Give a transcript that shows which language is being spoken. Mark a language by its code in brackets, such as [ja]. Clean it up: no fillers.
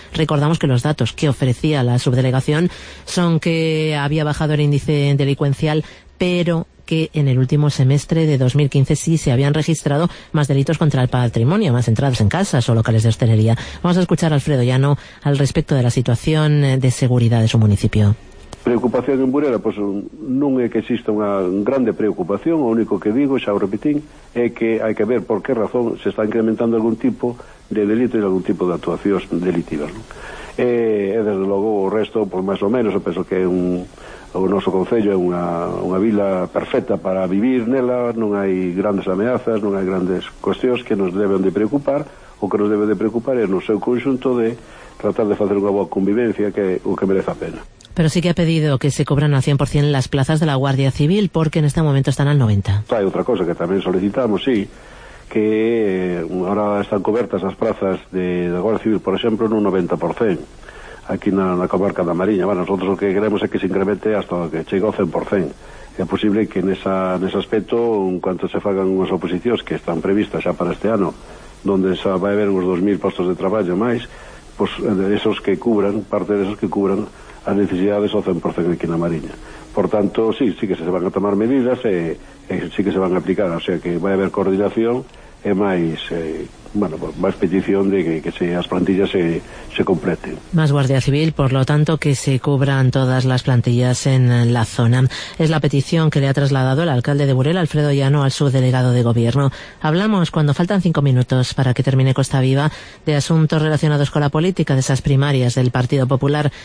[es] Recordamos que los datos que ofrecía la subdelegación son que había bajado el índice delincuencial, pero que en el último semestre de 2015 sí se habían registrado más delitos contra el patrimonio, más entradas en casas o locales de hostelería. Vamos a escuchar a Alfredo Llano al respecto de la situación de seguridad de su municipio. [gl] Preocupación en Burela, pues non é que exista unha grande preocupación, o único que digo, xa o repetín, é que hai que ver por que razón se está incrementando algún tipo de delito e algún tipo de actuacións delitivas. E desde logo o resto, pues máis ou menos, eu penso que é o noso concello é unha vila perfecta para vivir nela, non hai grandes ameazas, non hai grandes cuestións que nos deben de preocupar. O que nos debe de preocupar é no seu conxunto de tratar de facer unha boa convivencia, que o que merece a pena. [es] Pero sí que ha pedido que se cobran al 100% las plazas de la Guardia Civil, porque en este momento están al 90%. Hay otra cosa que también solicitamos, sí, que ahora están cobertas las plazas de Guardia Civil, por ejemplo, en un 90%. [gl] Aquí na comarca da Mariña. Bueno, nosotros o que queremos é que se incremente hasta que chegue ao 100%. É posible que nese aspecto, en cuanto se fagan unhas oposicións que están previstas xa para este ano, donde xa vai haber uns 2.000 postos de traballo máis, pues, parte de esos que cubran as necesidades ao 100% aquí na Mariña. [es] Por tanto, sí que se van a tomar medidas [gl] e sí que se van a aplicar. O sea que vai haber coordinación e máis [es] bueno, pues más petición de que se, las plantillas se completen. Más Guardia Civil, por lo tanto, que se cubran todas las plantillas en la zona. Es la petición que le ha trasladado el alcalde de Burela, Alfredo Llano, al subdelegado de gobierno. Hablamos, cuando faltan 5 minutos para que termine Costa Viva, de asuntos relacionados con la política de esas primarias del Partido Popular.